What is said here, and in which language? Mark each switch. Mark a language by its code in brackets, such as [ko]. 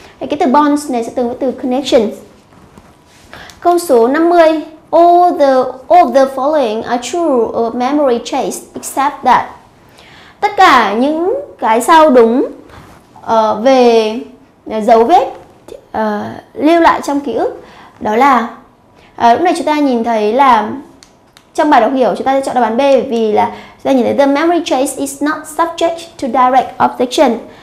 [vi] Thì cái từ bonds này sẽ tương với từ connections. Câu số 50. [en] All of the following are true of memory trace except that. [vi] Tất cả những cái sau đúng về dấu vết lưu lại trong ký ức. Đó là lúc này chúng ta nhìn thấy là trong bài đọc hiểu chúng ta sẽ chọn đáp án B, vì là chúng ta nhìn thấy [en] the memory trace is not subject to direct objection.